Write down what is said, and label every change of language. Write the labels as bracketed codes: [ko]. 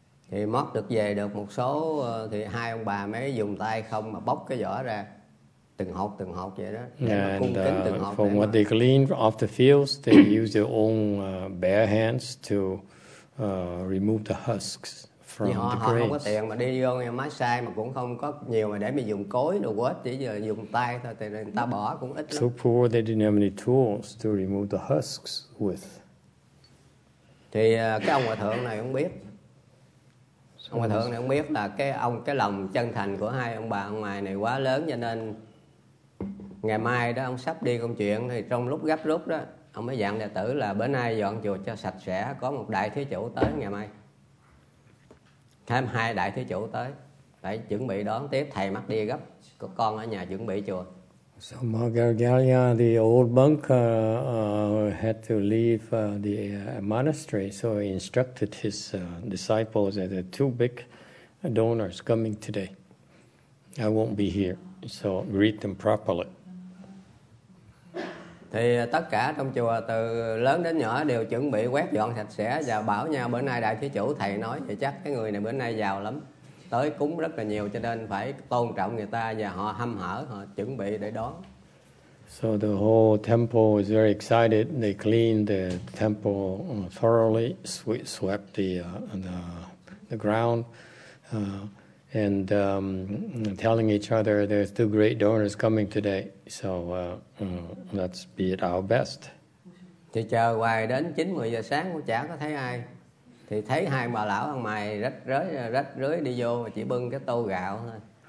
[vi] Thì mót được về được một số, thì hai ông bà mới dùng tay không mà bóc cái vỏ ra từng hột vậy đó. [en] And from what they gleaned off the fields, they used their own bare hands to remove the husks from the grains. [vi] Họ không có tiền mà đi vô máy xay mà cũng không có nhiều mà để mà dùng cối đồ quết, chỉ giờ dùng tay thôi, thì người ta bỏ cũng ít lắm. [en] So poor, they didn't have any tools to remove the husks with. [vi] Thì cái ông hòa thượng này cũng biết. Ông hòa thượng này cũng biết là cái lòng chân thành của hai ông bà ngoài này quá lớn, cho nên ngày mai đó ông sắp đi công chuyện, thì trong lúc gấp rút đó ông mới dặn đệ tử là bữa nay dọn chùa cho sạch sẽ, có một đại thí chủ tới ngày mai, thêm hai đại thí chủ tới phải chuẩn bị đón tiếp, thầy mắc đi gấp, con ở nhà chuẩn bị chùa. [en] So Mahamagadhyayana, the old monk had to leave the monastery, so he instructed his disciples that there are two big donors coming today, I won't be here, so greet them properly. [vi] Thì tất cả trong chùa từ lớn đến nhỏ đều chuẩn bị quét dọn sạch sẽ và bảo nhau bữa nay đại thí chủ thầy nói thì chắc cái người này bữa nay giàu lắm, tới cúng rất là nhiều, cho nên phải tôn trọng người ta và họ hăm hở, họ chuẩn bị để đón. [en] So the whole temple is very excited. They cleaned the temple thoroughly, swept the ground. And telling each other there's two great donors coming today, so let's be at our best. [vi] Thì chờ hoài đến 9-10 giờ sáng cũng chả có thấy ai. Thì thấy hai bà lão ăn mày rách rưới đi vô, chỉ bưng cái tô gạo thôi.